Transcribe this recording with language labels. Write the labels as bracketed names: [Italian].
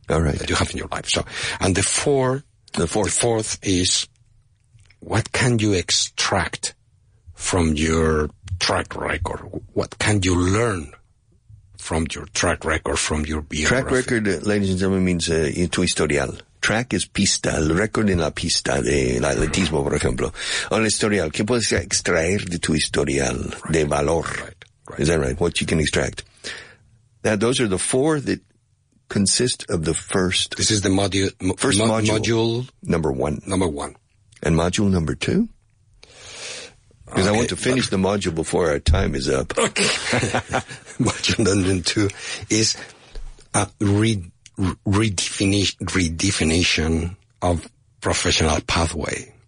[English] All right. That you have in your life. So, and the fourth is, what can you extract from your track record? What can you learn from your track record, from your biography? Track record, ladies and gentlemen, means [Spanish] tu historial. [English] Track is [Spanish] pista, el record en la pista de la atletismo, por ejemplo. O el historial, ¿qué puedes extraer de tu historial, de valor? [English] Right. Is that right? What you can extract. Now, those are the four that consist of the first... This is the module. Module number one. Number one. And module number two? Because I want to finish the module before our time is up. Okay. Module number two is a redefinition of professional pathway.